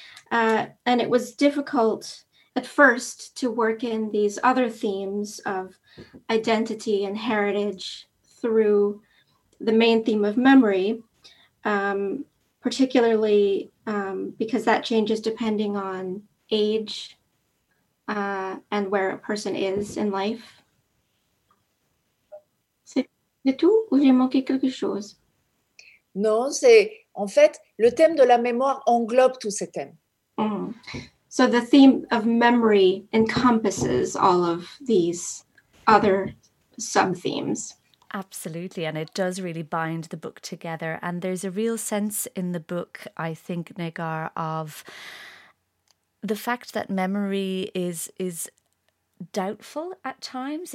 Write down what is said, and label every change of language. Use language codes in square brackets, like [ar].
[en] And it was difficult at first to work in these other themes of identity and heritage through the main theme of memory, particularly because that changes depending on age, and where a person is in life. [fr] C'est tout ou j'ai manqué quelque chose? Non, c'est en fait le thème de la mémoire englobe tous ces thèmes. Mm. [en] So the theme of memory encompasses all of these other sub-themes. Absolutely, and it does really bind the book together. And there's a real sense in the book, I think, Negar, of the fact that memory is doubtful at times.